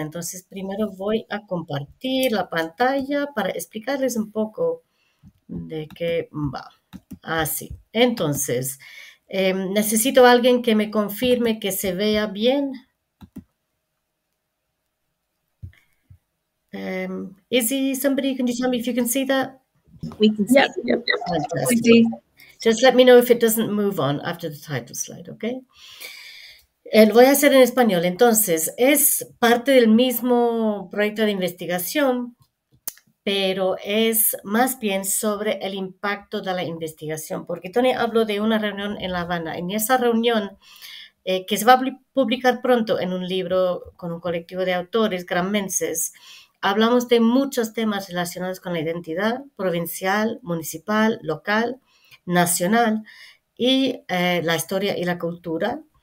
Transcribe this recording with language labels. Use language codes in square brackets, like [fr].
[es] Entonces, primero voy a compartir la pantalla para explicarles un poco de qué va. Así. Entonces, necesito a alguien que me confirme que se vea bien. [en] Is he somebody? Can you tell me if you can see that? We can see. Fantastic. Just let me know if it doesn't move on after the title slide, okay? [es] Lo voy a hacer en español. Entonces, es parte del mismo proyecto de investigación, pero es más bien sobre el impacto de la investigación. Porque Tony habló de una reunión en La Habana. En esa reunión, que se va a publicar pronto en un libro con un colectivo de autores granmenses, hablamos de muchos temas relacionados con la identidad provincial, municipal, local, nacional y la historia y la cultura.